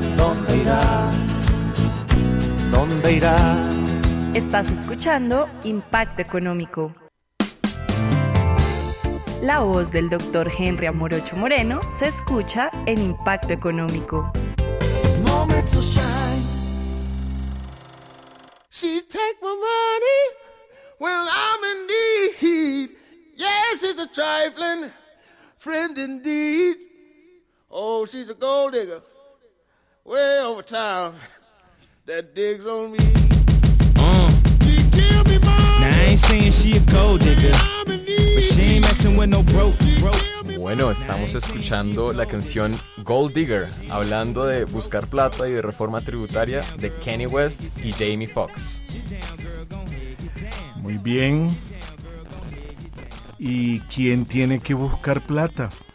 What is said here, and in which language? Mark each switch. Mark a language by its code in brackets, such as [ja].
[es] ¿Dónde irá? ¿Dónde irá? Estás escuchando Impacto Económico. La voz del doctor Henry Amorocho Moreno se escucha en Impacto Económico. [en] She take my money, well, I'm in need. Yes, she's a trifling friend indeed. Oh, she's a gold digger, way over time, that digs on me. She give me money. Now I ain't saying she a gold digger, but she ain't messing with no broke. [es] Bueno, estamos escuchando la canción Gold Digger, hablando de buscar plata y de reforma tributaria, de Kanye West y Jamie Foxx. Muy bien. ¿Y quién tiene que buscar plata?